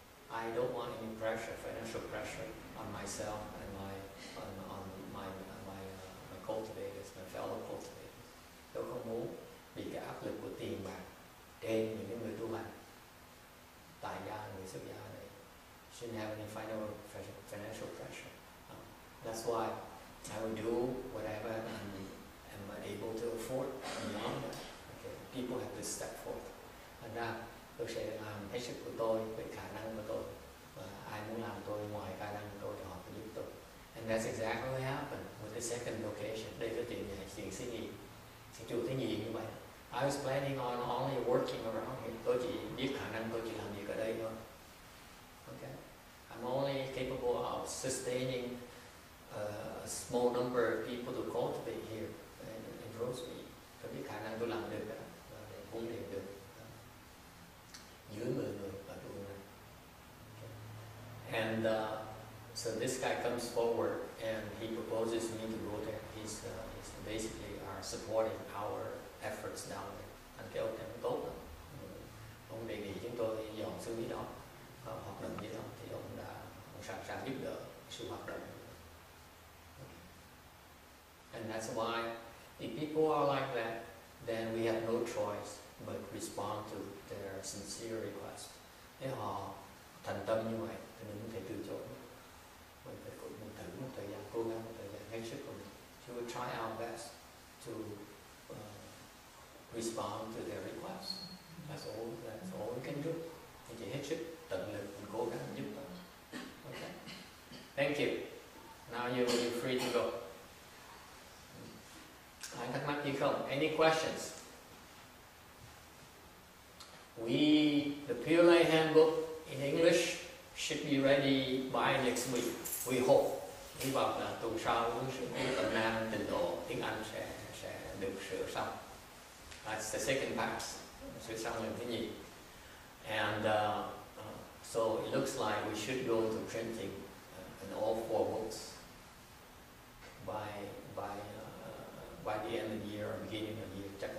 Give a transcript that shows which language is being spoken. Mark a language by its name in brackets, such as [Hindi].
[English] I don't want any pressure, financial pressure on myself and my cultivators, my fellow cultivators. [Vietnamese] Tôi không muốn bị cái áp lực của tiền bạc trên những người tu hành, tại gia, người xuất gia này. [English] Shouldn't have any financial pressure. That's why I will do whatever I am able to afford beyond that. Okay. people have to step forth. [Vietnamese] Thành ra tôi sẽ làm hết sức của tôi về khả năng của tôi, và ai muốn làm tôi ngoài khả năng của tôi thì họ phải giúp tôi. [English] And that's exactly what happened with the second location. [Vietnamese] Đây là chuyện này, chuyện thứ nhì. Chủ thứ nhì như vậy. [English] I was planning on only working around here. [Vietnamese] Tôi chỉ biết khả năng tôi chỉ làm việc ở đây thôi. [English] I'm only capable of sustaining a small number of people to cultivate here in Rosemead. [Vietnamese] Tôi biết khả năng tôi làm được đó, để huấn luyện được dưới 10 người và đủ này. [English] And so this guy comes forward and he proposes me to go there. He's basically our supporting our efforts down there. [Vietnamese] Anh kêu em tốt lắm. Ông đề nghị chúng tôi dọn xuống dưới đó, hoạt động dưới đó. Thì ông đã sẵn sàng giúp đỡ sự hoạt động. [English] And that's why if people are like that, then we have no choice but respond to their sincere request. [Vietnamese] Nếu họ thành tâm như vậy, thì mình có thể từ chối. Mình phải cố gắng một thời gian, cố gắng một thời gian hết sức của mình. [English] So we try our best to respond to their request. That's all we can do. [Vietnamese] Mình chỉ hết sức, tận lực, mình cố gắng giúp đỡ. [English] Okay. Thank you. Now you're free to go. [Vietnamese] Ai thắc mắc gì không? [English] Any questions? The Pure Lay Handbook in English should be ready by next week. We hope. [Vietnamese] Hy vọng là tuần sau cũng sẽ có tập năng trình độ tiếng Anh sẽ được sửa xong. [English] That's the second pass. [Vietnamese] Sửa xong lần thứ nhì. [English] And so it looks like we should go to printing in all four books by the end of the year or beginning of the year.